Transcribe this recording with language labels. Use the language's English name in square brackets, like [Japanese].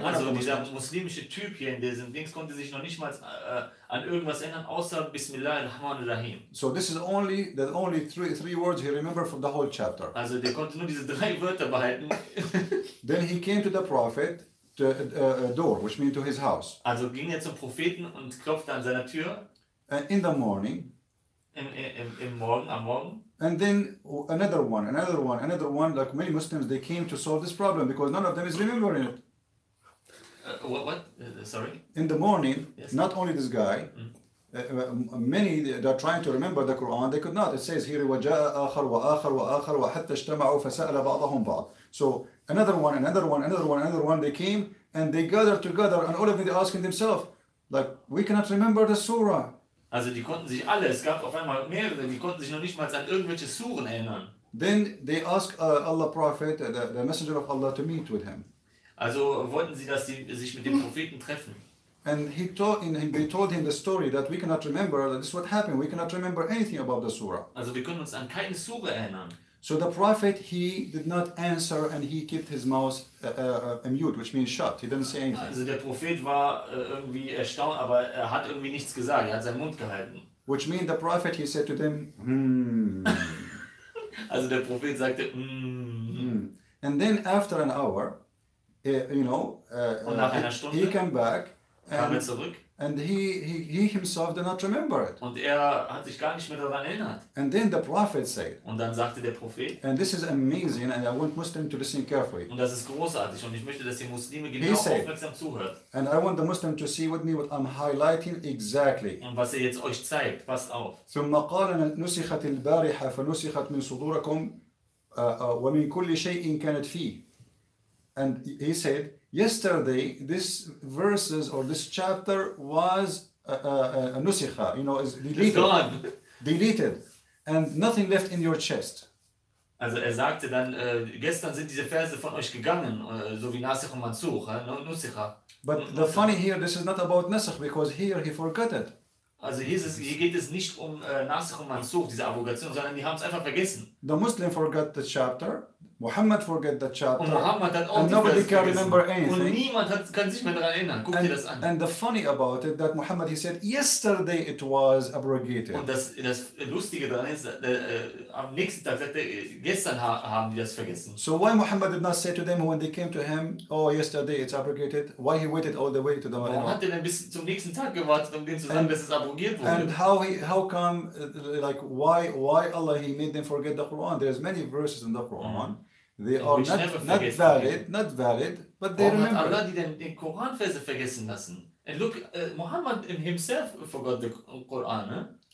[German] Also dieser muslimische Typ hier in diesem Dings konnte sich noch nicht mal an irgendwas erinnern, außer Bismillah ar-Rahman ar-Rahim. [English] So this is only the only three words he remembered from the whole chapter. [German] Also der konnte nur diese drei Wörter behalten. [English] Then he came to the Prophet to door, which means to his house. [German] Also ging er zum Propheten und klopfte an seiner Tür. [English] And in the morning. [German] Am Morgen. [English] And then another one, like many Muslims, they came to solve this problem because none of them is remembering it. Sorry? In the morning, yes. Not only this guy, many that are trying to remember the Quran, they could not. It says here, [Arabic] وَجَاءَ آخَرْ وَآخَرْ وَآخَرْ وَحَتَّ اجْتَمَعُوا فَسَأَلَ بَعْضَهُمْ بَعْضٍ. [English] So another one, they came and they gathered together and all of them they asking themselves, like, we cannot remember the surah. [German] Also die konnten sich alle, es gab auf einmal mehrere, die konnten sich noch nicht mal an irgendwelche Suren erinnern. [English] Then they ask Allah Prophet, the messenger of Allah, to meet with him. [German] Also wollten sie, dass sie sich mit dem Propheten treffen. [English] And they told him the story that we cannot remember, that this is what happened, we cannot remember anything about the surah. [German] Also wir können uns an keine Sure erinnern. [English] So the Prophet, he did not answer and he kept his mouth mute, which means shut. He didn't say anything. [German] Also der Prophet war irgendwie erstaunt, aber er hat irgendwie nichts gesagt. Er hat seinen Mund gehalten. [English] Which means the Prophet, he said to them, [German] Also der Prophet sagte, [English] And then after an hour, [German] Und nach einer Stunde, [English] he came back. [German] Kam er zurück. [English] And he himself did not remember it. [German] Und er hat sich gar nicht mehr daran erinnert. [English] And then the Prophet said. [German] Und dann sagte der Prophet. [English] And this is amazing, and I want Muslims to listen carefully. [German] Und das ist großartig, und ich möchte, dass die Muslime genau aufmerksam zuhört. [English] And I want the Muslim to see with me what I'm highlighting exactly. [German] Und was er jetzt euch zeigt, passt auf. [Arabic] ثم قال نسخت البارحة فنسخت من صدوركم ومن كل شيء كانت فيه. [English] And he said. Yesterday, this verses or this chapter was a nusikha, is deleted. It's gone. Deleted. And nothing left in your chest. [German] Also er sagte dann, gestern sind diese Verse von euch gegangen, so wie nasikh und mansukh, nusikha. [English] But the funny here, this is not about nasikh, because here he forgot it. [German] Also hier geht es nicht um nasikh und mansukh, diese Abrogation, sondern die haben es einfach vergessen. [English] The Muslim forgot the chapter. Muhammad forget the chapter. [German] Und Muhammad hat auch [English] and nobody can remember anything. [German] Und niemand kann sich mehr daran erinnern. Guck [English] and, [German] dir das an. [English] And the funny about it that Muhammad he said yesterday it was abrogated. [German] Und das Lustige daran ist, am nächsten Tag sagte, gestern haben die das vergessen. [English] So why Muhammad did not say to them when they came to him, oh yesterday it's abrogated? Why he waited all the way to the [German] Warum hat er denn bis zum nächsten Tag gewartet, um denen zu sagen, dass es abrogiert wurde? [English] And how come, why Allah he made them forget the Quran? There's many verses in the Quran. Mm-hmm. They are not valid, but they remember. [German] Allah hat den Koran Verse vergessen lassen. [English] And look, Muhammad himself forgot the Quran.